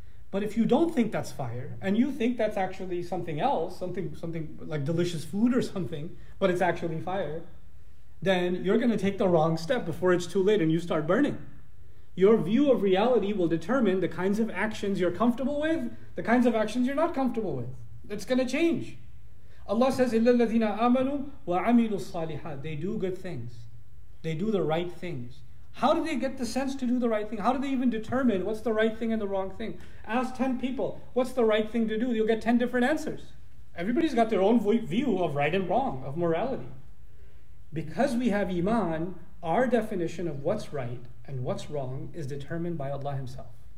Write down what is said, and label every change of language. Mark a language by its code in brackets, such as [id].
[en] But if you don't think that's fire, and you think that's actually something else, something like delicious food or something, but it's actually fire, then you're going to take the wrong step before it's too late and you start burning. Your view of reality will determine the kinds of actions you're comfortable with, the kinds of actions you're not comfortable with. It's going to change. Allah says, [ar] إِلَّا الَّذِينَ آمَنُوا وَعَمِلُوا الصَّالِحَاتِ. [en] They do good things. They do the right things. How do they get the sense to do the right thing? How do they even determine what's the right thing and the wrong thing? Ask 10 people, what's the right thing to do? You'll get 10 different answers. Everybody's got their own view of right and wrong, of morality. Because we have Iman, our definition of what's right and what's wrong is determined by Allah Himself.